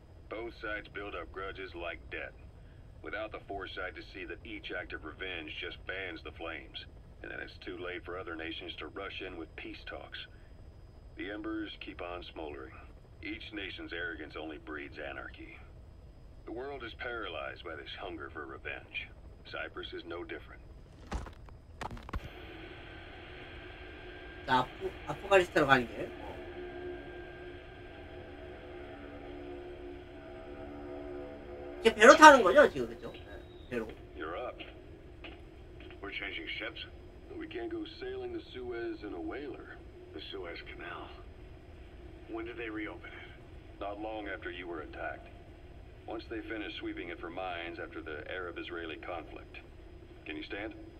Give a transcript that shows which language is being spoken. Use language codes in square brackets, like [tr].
[en] Both sides build up grudges like debt. Without the foresight to see that each act of revenge just fans the flames. And then it's too late for other nations to rush in with peace talks. The embers keep on smoldering. Each nation's arrogance only breeds anarchy. The world is paralyzed by this hunger for revenge. Cyprus is no different. [ko] 자, 아프가니스탄 가는 게. 이제 배로 타는 거죠, 지금 그죠? 네, 배로. [en] You're up. We're changing ships. We can't go sailing the Suez in a whaler. The Suez Canal. When did they reopen it? Not long after you were attacked. Once they finish sweeping it for mines after the Arab-Israeli conflict. Can you stand?